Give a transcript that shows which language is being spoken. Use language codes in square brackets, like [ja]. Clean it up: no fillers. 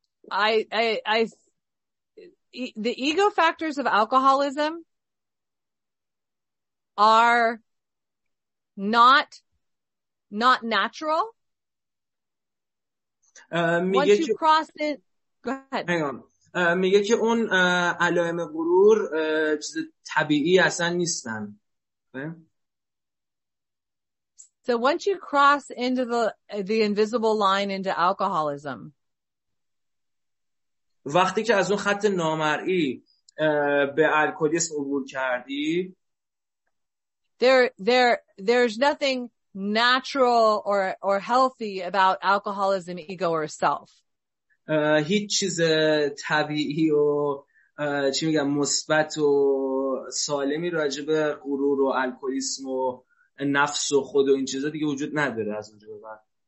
[en] I the ego factors of alcoholism are not natural. [fa] میگه [en] Once you cross it, go ahead. Hang on. [fa] میگه که اون علائم غرور چیز طبیعی اصلا نیستن. [en] So once you cross into the invisible line into alcoholism. [fa] وقتی که از اون خط نامرئی به الکلیسم عبور کردی [en] there's nothing natural or healthy about alcoholism, ego or self. [fa] هیچ چیز طبیعی و چی میگم مثبت و سالمی راجع به غرور و الکلیسم و نفس و خود و این چیزا دیگه وجود نداره از اونجا به بعد.